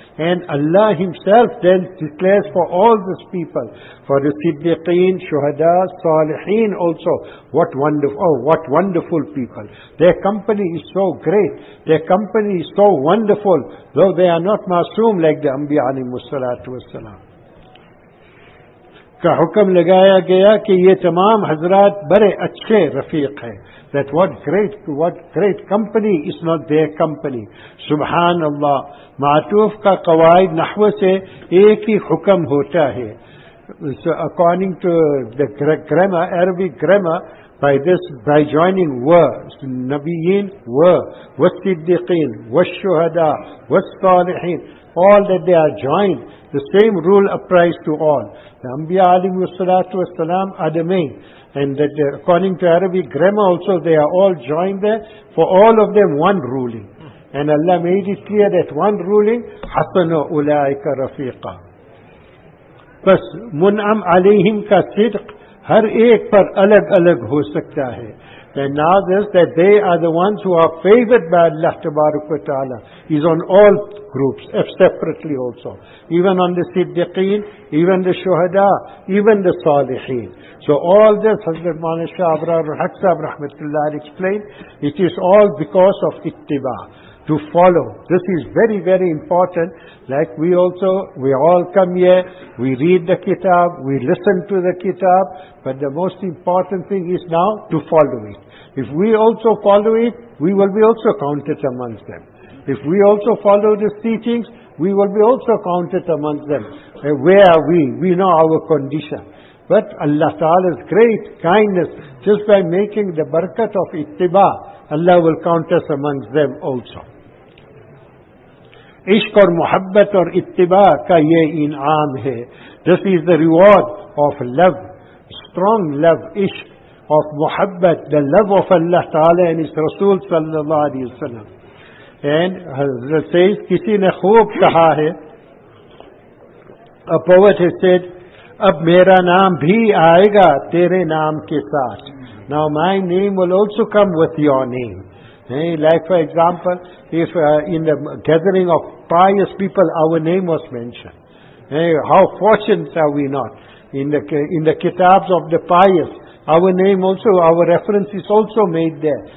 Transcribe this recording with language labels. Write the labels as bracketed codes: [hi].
[en] And Allah Himself then declares for all these people, for the Siddiqeen, Shuhada, Salihin also, what wonderful, oh, what wonderful people. Their company is so great. Their company is so wonderful. Though they are not masoom like the Anbiya alayhi salatu wasalam. [ur] کا حکم لگایا گیا کہ یہ تمام حضرات بڑے اچھے رفیق ہیں. [en] That what great company is not their company. [ar] سبحان اللہ. [ur] معطوف کا قواعد نحو سے ایک ہی حکم ہوتا ہے. [en] So according to the grammar, Arabic grammar, by joining نبیین والصدیقین والشہداء والصالحین, all that they are joined, the same rule applies to all. The Anbiya alayhi salatu wa salam are the main. And that according to Arabic grammar also, they are all joined there. For all of them, one ruling. And Allah made it clear that one ruling, [ar] حَسَنُ أُولَٰئِكَ رَفِيقًا. [ur] بس مُنْعَمْ عَلَيْهِمْ کا صدق ہر ایک پر الگ الگ ہو سکتا ہے. [en] And now this, that they are the ones who are favored by Allah tabaraka wa ta'ala, is on all groups, separately also. Even on the Siddiqeen, even the Shuhada, even the Salihin. So all this, Hazrat Maulana Shah Abrarul Haq Sahib Rahmatullah explained, it is all because of ittiba, to follow. This is very, very important. Like we also, we all come here, we read the kitab, we listen to the kitab, but the most important thing is now to follow it. If we also follow it, we will be also counted amongst them. If we also follow the teachings, we will be also counted amongst them. Where are we? We know our condition. But Allah Ta'ala's great kindness, just by making the barakat of ittiba, Allah will count us amongst them also. [ur] عشق اور محبت اور اتباع کا یہ انعام ہے. [en] This is the reward of love, strong love, عشق of محبت, the love of Allah Ta'ala and His Rasul sallallahu alayhi wa sallam. And Hazrat says, [ur] کسی نے خوب کہا ہے, [en] a poet has said, [ur] اب میرا نام بھی آئے گا تیرے نام کے ساتھ. [en] Now my name will also come with your name. Like for example, if in the gathering of pious people our name was mentioned, how fortunate are we not? In the kitabs of the pious, our name also, our reference is also made there.